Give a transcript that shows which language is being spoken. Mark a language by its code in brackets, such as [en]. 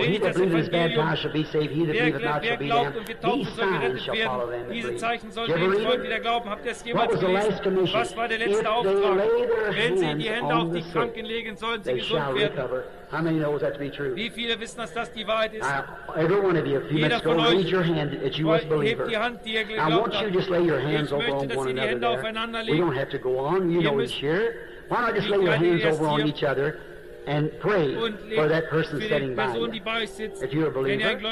[en] He that believeth is baptized shall be saved. He that believeth not shall be damned. These signs shall follow them. [de] Diese Zeichen sollen denen folgen, die da glauben. Habt ihr es jemals gelesen? Was war der letzte Auftrag? Wenn sie die Hände auf die Kranken legen, sollen sie gesund werden. [en] How many know that to be true? [de] Wie viele wissen, dass das die Wahrheit ist? [en] Every one of you, if you must go raise your hand that you as a believer. [de] Die Hand, die [en] I want you to just lay your hands over on one another there. We don't have to go on. You know we share. Why not just lay your hands over on each other and pray for that person sitting [de] Person, [en] by you? [de] Sitzt, [en] if you're a believer.